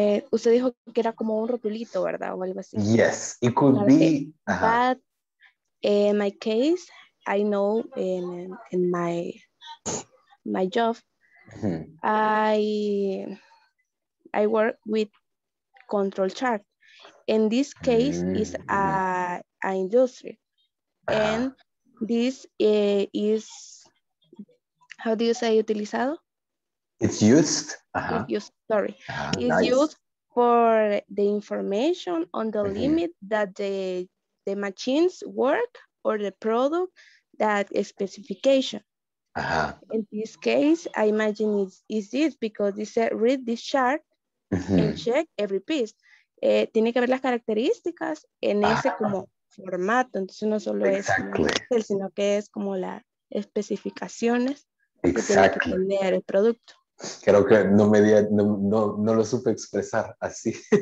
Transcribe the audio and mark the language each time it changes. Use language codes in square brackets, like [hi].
[es] Usted dijo que era como un rotulito, ¿verdad? O algo así. [en] Yes, it could be. But in my case, I know in my job, I work with control chart. In this case, is a industry. And this is, how do you say, utilizado? It's used. It's nice. Used for the information on the limit that the machines work or the product that specification. In this case, I imagine it's this because it said read this chart and check every piece. [es] Tiene que ver las características en ese como formato. Entonces no solo es, sino que es como las especificaciones que tiene que tener el producto. Creo que no lo supe expresar así.